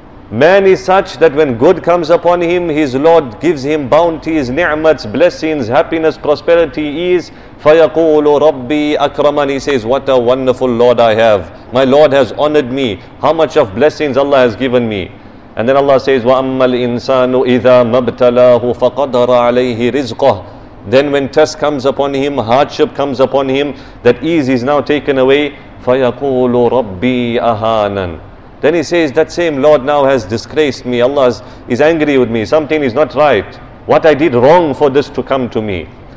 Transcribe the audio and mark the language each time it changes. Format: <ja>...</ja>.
<en>Man is such that when good comes upon him, his Lord gives him bounties, ni'mats, blessings, happiness, prosperity, ease.</en> <ar>فَيَقُولُ رَبِّي أَكْرَمَنِ.</ar> <en>He says, what a wonderful Lord I have. My Lord has honored me. How much of blessings Allah has given me. And then Allah says,</en> <ar>وَأَمَّا الْإِنسَانُ إِذَا مَبْتَلَاهُ فَقَدَرَ عَلَيْهِ رِزْقَهُ.</ar> <en>Then when test comes upon him, hardship comes upon him, that ease is now taken away.</en> <ar>فَيَقُولُ رَبِّي أَهَانَنِ.</ar> <en>Then he says, that same Lord now has disgraced me. Allah is angry with me. Something is not right. what I did wrong for this to come to me.</en>